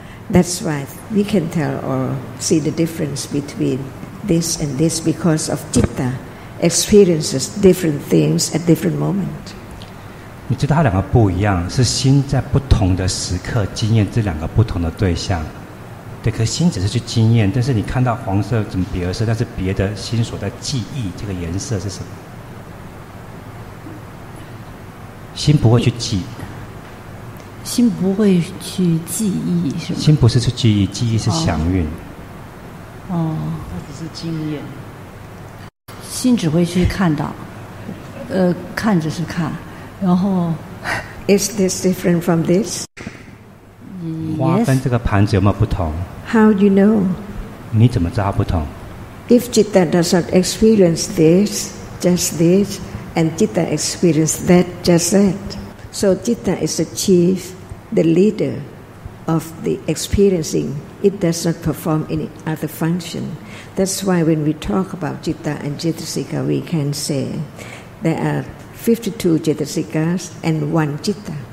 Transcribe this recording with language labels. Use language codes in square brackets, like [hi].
[en] That's why we can tell or see the difference between this and this because of citta experiences different things at different moment. [zh] 你知道它两个不一样，是心在不同的时刻经验这两个不同的对象，对。可是心只是去经验，但是你看到黄色怎么别的色，但是别的心所在记忆这个颜色是什么？心不会去记。心不会去记忆是吗？心不是去记忆，记忆是祥蕴。哦，它只是经验。心只会去看到，看只是看。然后 [en] is this different from this? [zh] 花跟这个盘子有没有不同？ [en] How do you know? [zh] 你怎么知道不同？ [en] If citta does not experience this, just this, and citta experience that, just that. So citta is the chief, the leader of the experiencing. It does not perform any other function. That's why when we talk about citta and chittasika, we can say there are 52 chittasikas and one citta.